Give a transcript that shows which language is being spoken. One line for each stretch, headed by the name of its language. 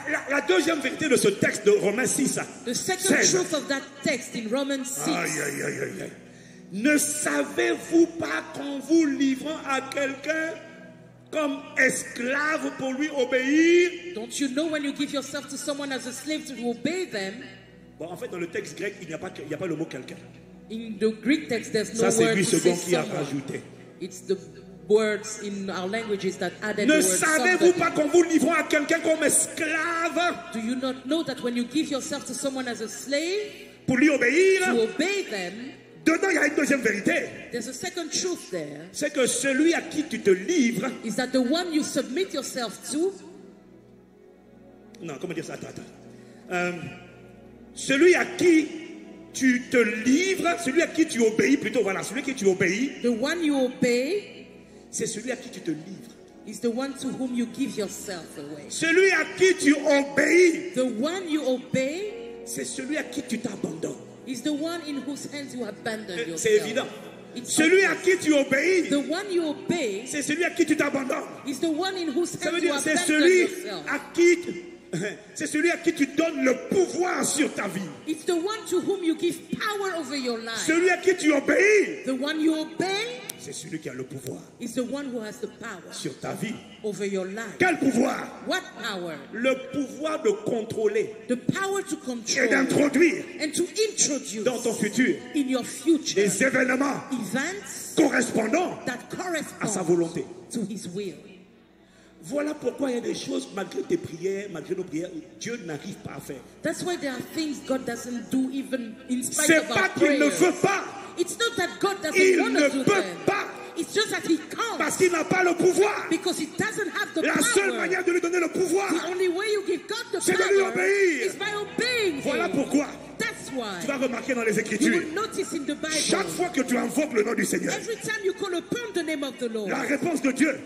French: La deuxième vérité de ce texte de Romains 6.
English: The second 16. Truth of that text in Romans 6. Aïe, aïe, aïe, aïe.
French: Ne savez-vous pas qu'en vous livrant à quelqu'un comme esclave pour lui obéir?
English: Don't you know when you give yourself to someone as a slave to obey them?
French: Bon, en fait, dans le texte grec, il n'y a pas le mot quelqu'un.
English: In the Greek text, there's no
French: ça,
English: word to say someone.
French: Ça, c'est lui second qui a rajouté.
English: It's the words in our languages that added
French: ne savez-vous pas qu'on vous livre à quelqu'un comme esclave?
English: Do you not know that when you give yourself to someone as a slave
French: pour lui obéir,
English: to obey them,
French: dedans il y a une deuxième vérité.
English: There's a second truth there.
French: C'est que celui à qui tu te livres
English: is that the one you submit yourself to.
French: Non, comment dire ça? Celui à qui tu te livres, celui à qui tu obéis plutôt, voilà, celui à qui tu obéis.
English: The one you obey.
French: C'est celui à qui tu te livres.
English: Is the one to whom you give yourself away.
French: Celui à qui tu obéis.
English: The one you obey.
French: C'est celui à qui tu t'abandonnes.
English: Is the one in whose hands you abandon yourself.
French: C'est évident.
English: It's
French: celui obvious. À qui tu obéis.
English: The one you obey.
French: C'est celui à qui tu t'abandonnes.
English: Is the one in whose hands
French: ça veut dire,
English: you abandon
French: c'est celui
English: yourself.
French: À qui tu, c'est celui à qui tu donnes le pouvoir sur ta vie.
English: It's the one to whom you give power over your life.
French: Celui à qui tu obéis.
English: The one you obey.
French: C'est celui qui a le pouvoir.
English: Is the one who has the power
French: sur ta vie.
English: Over your life.
French: Quel pouvoir?
English: What power?
French: Le pouvoir de contrôler.
English: The power to control.
French: Et d'introduire.
English: And to introduce.
French: Dans ton futur.
English: In your future.
French: Les événements.
English: Events.
French: Correspondant.
English: That correspond.
French: À sa volonté.
English: To his will.
French: Voilà pourquoi il y a des choses malgré tes prières, malgré nos prières, Dieu n'arrive pas à faire.
English: That's why there are things God doesn't do even in spite
French: c'est
English: of our prayers.
French: C'est pas qu'il ne veut pas.
English: It's not that God doesn't want to do that. It's just that he can't.
French: Parce qu'il n'a pas le pouvoir.
English: Because he doesn't have the
French: la
English: power.
French: La seule manière de lui donner le pouvoir.
English: The only way you give God the
French: c'est
English: power.
French: C'est de lui obéir.
English: Is by obeying him.
French: Voilà pourquoi.
English: That's why.
French: Tu vas remarquer dans les Écritures.
English: You will notice in the Bible.
French: Chaque fois que tu invoques le nom du Seigneur.
English: Every time you call upon the name of the Lord.
French: La réponse de Dieu.